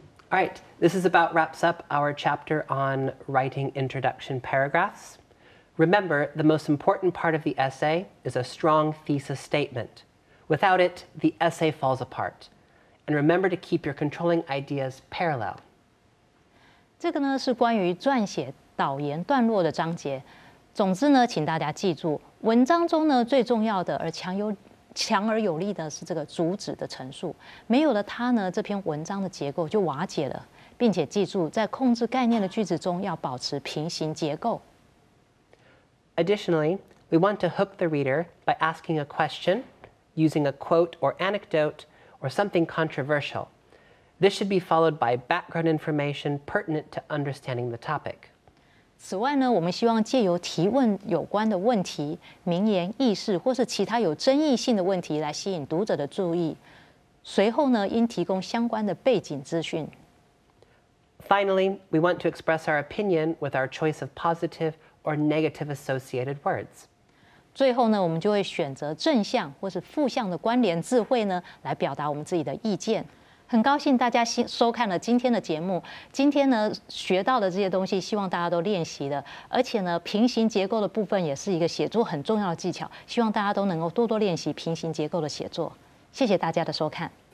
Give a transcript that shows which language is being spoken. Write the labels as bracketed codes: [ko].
[en] All right, this is about wraps up our chapter on writing introduction paragraphs. Remember, the most important part of the essay is a strong thesis statement. Without it, the essay falls apart. And remember to keep your controlling ideas parallel. [zh] 这个呢是关于撰写导言段落的章节。总之呢，请大家记住，文章中呢最重要的而强而有力的是这个主旨的陈述。没有了它呢，这篇文章的结构就瓦解了。并且记住，在控制概念的句子中要保持平行结构。 [en] Additionally, we want to hook the reader by asking a question, using a quote or anecdote, or something controversial. This should be followed by background information pertinent to understanding the topic. [zh] 此外呢，我们希望借由提问有关的问题、名言、轶事，或是其他有争议性的问题来吸引读者的注意。随后呢，应提供相关的背景资讯。 [en] Finally, we want to express our opinion with our choice of positive or negative associated words. [zh] 最后呢，我们就会选择正向或是负向的关联字汇呢，来表达我们自己的意见。很高兴大家收看了今天的节目。今天呢，学到的这些东西，希望大家都练习的。而且呢，平行结构的部分也是一个写作很重要的技巧，希望大家都能够多多练习平行结构的写作。谢谢大家的收看。